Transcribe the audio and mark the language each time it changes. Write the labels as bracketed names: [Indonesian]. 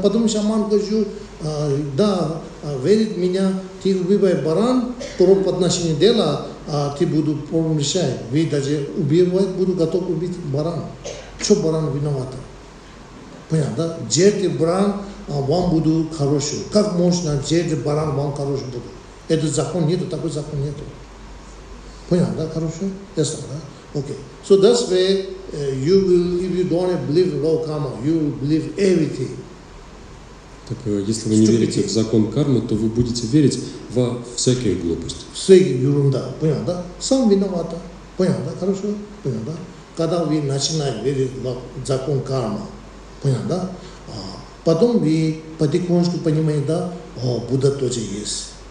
[Russian] Потом шаман говорит, да, верит меня, ты убивай баран, проб отношения дела, а ты буду проб решать. Вы даже убивать, буду готов убить баран. Что баран виноват? Понял, да? Жертвы баран вам будут хорошие. Как можно жертвы баран вам хорошие будут? Этот закон нету, такой закон нету. Понял, да? Хорошо? Yes, да? Okay. [English] So that's way, you will, if you don't believe in law karma, you will believe everything. [Russian] Так, если вы не верите в закон кармы, то вы будете верить во всякие глупости. Всякие ерунда, понял, да? Сам виноват, понял, да? Хорошо? Понял, да? Когда вы начинаете верить в закон кармы, понял, да? Потом вы потихонечку понимаете, да, о, Будда тоже есть.